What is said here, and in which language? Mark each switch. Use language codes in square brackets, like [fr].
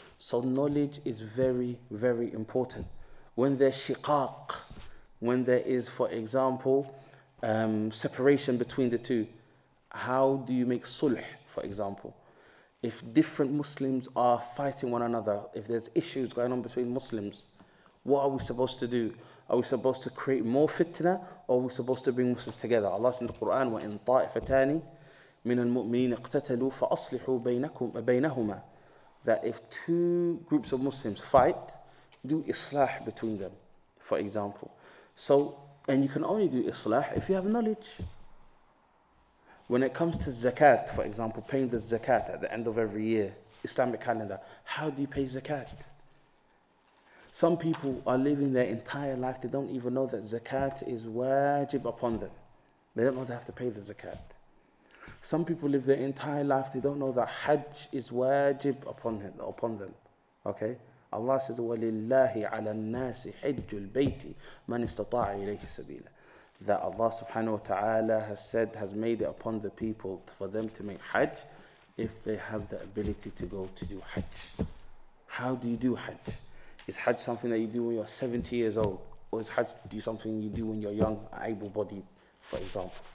[en] So knowledge is very, very important. When there's shiqaq, when there is, for example, separation between the two, how do you make sulh, for example? If different Muslims are fighting one another, if there's issues going on between Muslims, what are we supposed to do? Are we supposed to create more fitna, or are we supposed to bring Muslims together? Allah said in the Quran, [ar] وَإِن طَائِفَتَانِ مِنَ الْمُؤْمِنِينَ اقْتَتَلُوا فَأَصْلِحُوا بَيْنَهُمَا. [en] That if two groups of Muslims fight, do islah between them, for example. So, and you can only do islah if you have knowledge. When it comes to zakat, for example, paying the zakat at the end of every year, Islamic calendar, how do you pay zakat? Some people are living their entire life, they don't even know that zakat is wajib upon them. They don't know they have to pay the zakat. Some people live their entire life, they don't know that hajj is wajib upon them. Okay? Allah says, [ar] وَلِلَّهِ عَلَى النَّاسِ حِجُّ الْبَيْتِ مَنْ اسْتَطَاعَ إِلَيْهِ سَبِيلًا. [en] That Allah subhanahu wa ta'ala has made it upon the people for them to make hajj if they have the ability to go to do hajj. How do you do hajj? Is hajj something that you do when you're 70 years old? Or is hajj something you do when you're young, able-bodied, for example?